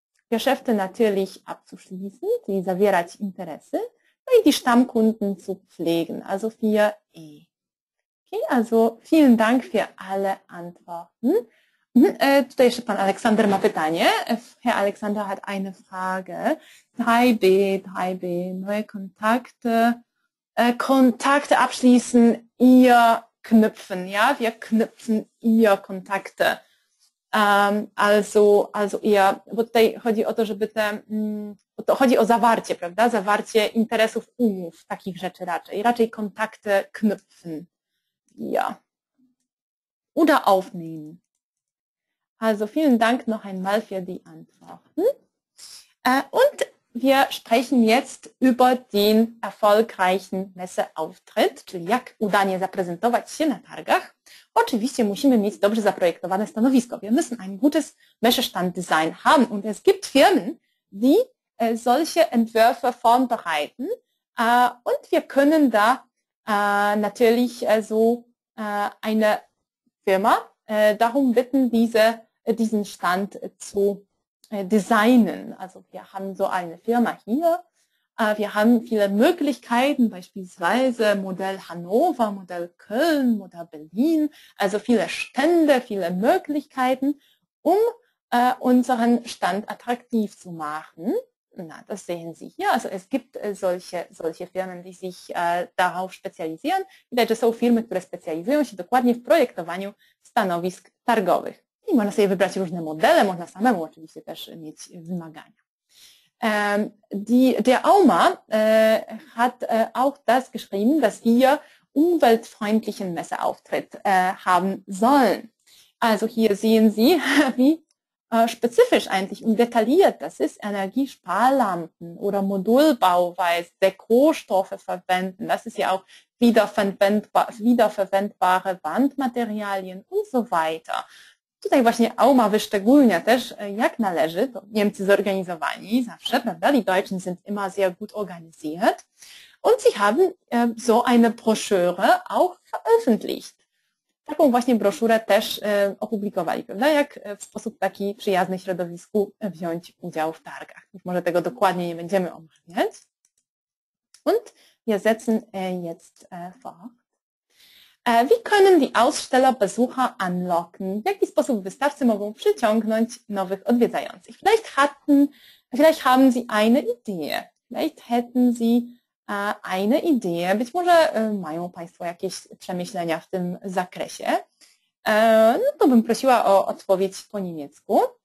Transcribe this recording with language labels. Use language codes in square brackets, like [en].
[de] Geschäfte natürlich abzuschließen, [pl] czyli zawierać interesy, no i [de] die Stammkunden zu pflegen, also 4e. Okay, also vielen Dank für alle Antworten. [pl] Tutaj jeszcze pan Aleksander ma pytanie. [de] Herr Aleksander hat eine Frage. 3b, neue Kontakte. Kontakte abschließen, ihr knüpfen, ja? Wir knüpfen ihr Kontakte. Also ihr, [pl] bo tutaj chodzi o to, żeby te, to chodzi o zawarcie, prawda? Zawarcie interesów, umów, takich rzeczy raczej. Raczej [de] kontakte knüpfen. Ja. Oder aufnehmen. Also vielen Dank noch einmal für die Antworten. Und wir sprechen jetzt über den erfolgreichen Messeauftritt, [pl] czyli jak udanie zaprezentować się na targach. Oczywiście musimy mieć dobrze zaprojektowane stanowisko. [de] Wir müssen ein gutes Messestanddesign haben. Und es gibt Firmen, die solche Entwürfe vorbereiten. Und wir können da natürlich so eine Firma darum bitten, diesen Stand zu designen. Also wir haben so eine Firma hier, wir haben viele Möglichkeiten, beispielsweise Modell Hannover, Modell Köln, Modell Berlin, also viele Stände, viele Möglichkeiten, um unseren Stand attraktiv zu machen. Na, das sehen Sie hier. Also es gibt solche Firmen, die sich darauf spezialisieren. [pl] Widać, że są firmy, które spezjalizują się dokładnie w projektowaniu stanowisk targowych. I można sobie wybrać różne modele, można samemu oczywiście też mieć wymagania. [de] Der AUMA hat auch das geschrieben, dass ihr umweltfreundlichen Messeauftritt haben sollen. Also hier sehen Sie, wie spezifisch eigentlich und detailliert das ist. Energiesparlampen oder Modulbauweise, Dekorstoffe verwenden, das ist ja auch wiederverwendbare Wandmaterialien und so weiter. [pl] Tutaj właśnie AUMA wyszczególnia też, jak należy, to Niemcy zorganizowani zawsze, prawda? [de] Die Deutschen sind immer sehr gut organisiert. Und sie haben so eine Broschüre auch veröffentlicht. [pl] Taką właśnie broszurę też opublikowali, prawda? Jak w sposób taki przyjazny środowisku wziąć udział w targach. Już może tego dokładnie nie będziemy omawiać. [de] Und wir setzen jetzt fort. Wie können die Aussteller Besucher anlocken? [pl] W jaki sposób Wystawcy mogą przyciągnąć nowych odwiedzających? [de] Vielleicht haben Sie eine Idee. Vielleicht hätten Sie eine Idee. [pl] Być może mają Państwo jakieś przemyślenia w tym zakresie. No to bym prosiła o odpowiedź po niemiecku.